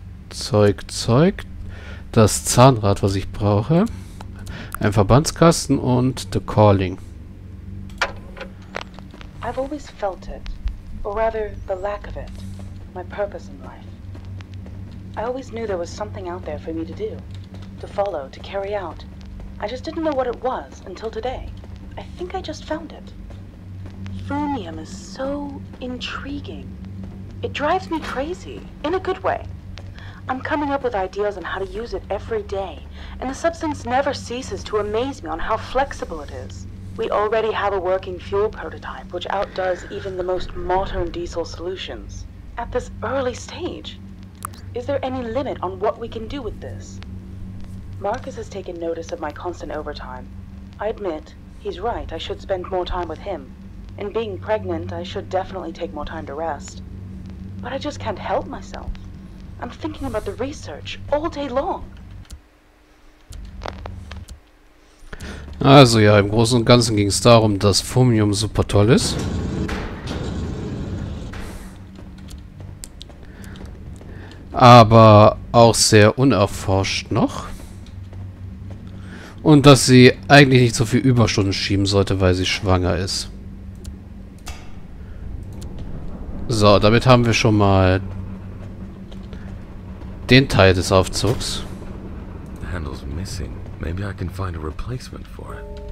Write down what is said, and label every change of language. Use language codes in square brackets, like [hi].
[de] Zeug, Zeug. Das Zahnrad, was ich brauche. Ein Verbandskasten und The Calling. [en] I've always felt it, or rather the lack of it, my purpose in life. I always knew there was something out there for me to do, to follow, to carry out. I just didn't know what it was until today. I think I just found it. Thorium is so intriguing. It drives me crazy, in a good way. I'm coming up with ideas on how to use it every day, and the substance never ceases to amaze me on how flexible it is. We already have a working fuel prototype, which outdoes even the most modern diesel solutions. At this early stage, is there any limit on what we can do with this? Marcus has taken notice of my constant overtime. I admit, he's right, I should spend more time with him. And being pregnant, I should definitely take more time to rest. But I just can't help myself. I'm thinking about the research all day long. [de] Also ja, im Großen und Ganzen ging es darum, dass Thorium super toll ist. Aber auch sehr unerforscht noch. Und dass sie eigentlich nicht so viel Überstunden schieben sollte, weil sie schwanger ist. So, damit haben wir schon mal den Teil des Aufzugs. [en] The handle's missing. Maybe I can find a replacement for it.